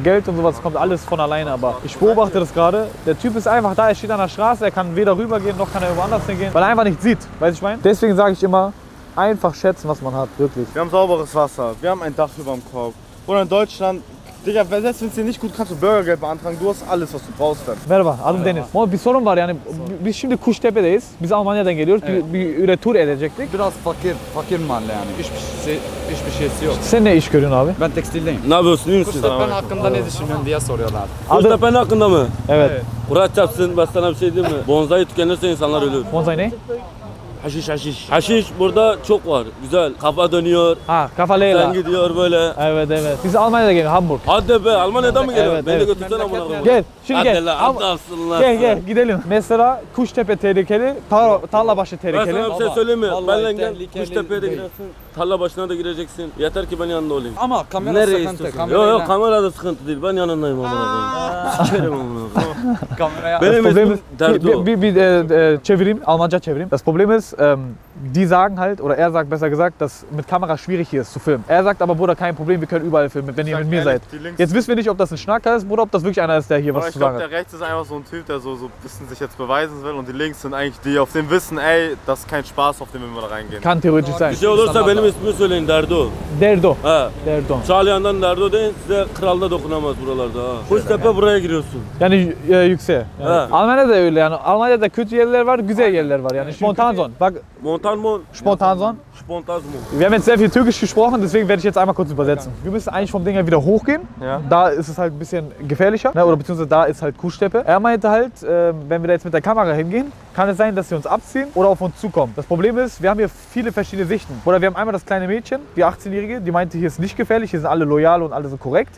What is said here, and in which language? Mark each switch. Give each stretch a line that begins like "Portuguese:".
German: Geld und sowas kommt alles von alleine. Aber ich beobachte das gerade. Der Typ ist einfach da, er steht an der Straße, er kann weder rübergehen noch kann er irgendwo anders hingehen, weil er einfach nichts sieht. Weißt du, was ich meine? Deswegen sage ich immer, einfach schätzen, was man hat, wirklich. Wir haben sauberes Wasser, wir haben ein Dach über dem Kopf. Oder in Deutschland. Digga, selbst wenn es dir nicht gut, kannst du Bürgergeld beantragen. Du hast alles, was du brauchst dann.
Turkish: Merhaba, adım Deniz. Moin, bir sorun var yani. Biz şimdi Kuştepe'deyiz. Biz Almanya'dan geliyoruz. Evet. Bir tur edecektik. Biraz fakir mahalle yani. Hiçbir şeysi yok. Sen ne iş görüyorsun abi? Ben tekstildeyim. Ne yapıyorsun? İyi misin? Kuştepe'nin hakkında ne düşünüyorsun diye soruyorlar. Kuştepe'nin hakkında mı? Evet. Kura çapsın, ben sana bir şey diyeyim mi? Bonzai tükenirse insanlar ölür. Bonzai ne? Haşiş. Haşiş burada çok var. Güzel. Kafa dönüyor. Ha, kafa leyla. Sen gidiyor böyle. Evet. Biz Almanya'da geliyoruz, Hamburg. Hadi be, Almanya'dan mı geliyorsun? Evet, beni de götürsene buna. Gel, şimdi hadi gel. Hadi aslında. Gel, gidelim. Mesela Kuştepe tehlikeli, Tarlabaşı tehlikeli. Ben sana bir şey söyleyeyim mi? Benle gel, Kuştepe'ye de gireceksin. Tarlabaşı'na da gireceksin. Yeter ki ben yanında olayım. Ama kamera nereye sıkıntı. Yok, kamera da sıkıntı değil. Ben yanındayım ama. Sikerim onu. Kameraya. Benim ismim derdi o. Bir çevireyim, Almanca çevireyim.
German: Das Problem ist, die sagen halt, oder er sagt besser gesagt, dass mit Kamera schwierig hier ist zu filmen. Er sagt aber, Bruder, kein Problem, wir können überall filmen, wenn ihr mit mir seid. Jetzt wissen wir nicht, ob das ein Schnacker ist, Bruder, ob das wirklich einer ist, der hier was zu sagen hat. Ich glaube, der rechts ist einfach so ein Typ, der so ein bisschen sich jetzt beweisen will und die links sind eigentlich die, auf dem wissen, ey, das ist kein Spaß, auf dem wenn wir da reingehen. Kann theoretisch sein.
Turkish: Bir şey olursa benim ismi söyleyin, Derdo. Derdo. He. Derdo. Çağlayan'dan Derdo deyin, size kral da dokunamaz buralarda. Kuştepe buraya giriyorsun. Yani yükseğe. Yani. Almanya'da öyle yani. Almanya'da kötü yerler var, güzel yerler var yani. Spontan zon. Bak. Spontan.
German: Wir haben jetzt sehr viel Türkisch gesprochen, deswegen werde ich jetzt einmal kurz übersetzen. Wir müssen eigentlich vom Ding her wieder hochgehen. Ja. Da ist es halt ein bisschen gefährlicher. Ne? Oder beziehungsweise da ist halt Kuhsteppe. Er meinte halt, wenn wir da jetzt mit der Kamera hingehen, kann es sein, dass sie uns abziehen oder auf uns zukommen. Das Problem ist, wir haben hier viele verschiedene Sichten. Oder wir haben einmal das kleine Mädchen, die 18-Jährige, die meinte, hier ist nicht gefährlich, hier sind alle loyal und alle so korrekt.